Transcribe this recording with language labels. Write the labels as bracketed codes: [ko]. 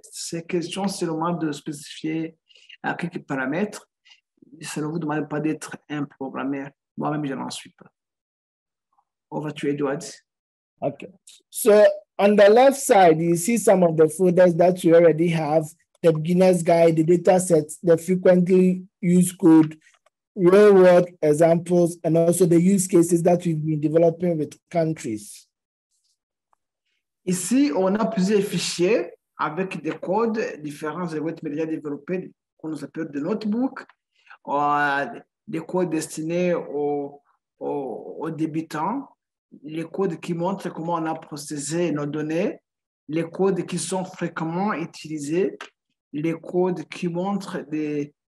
[fr] C'est question seulement de spécifier quelques paramètres. Ça ne vous demande pas d'être un programmeur. Moi-même, je n'en suis pas. On va tuer Edward. [en] OK. So, on the left side, you see some of the folders that you already have. the beginner's guide, the data sets, the frequently used code, real world examples, and also the use cases that we've been developing with countries. [fr] Ici, on a plusieurs fichiers avec des codes différents de web media développés qu'on appelle des notebooks, des codes destinés aux débutants, les codes qui montrent comment on a processé nos données, les codes qui sont fréquemment utilisés, les codes qui montrent des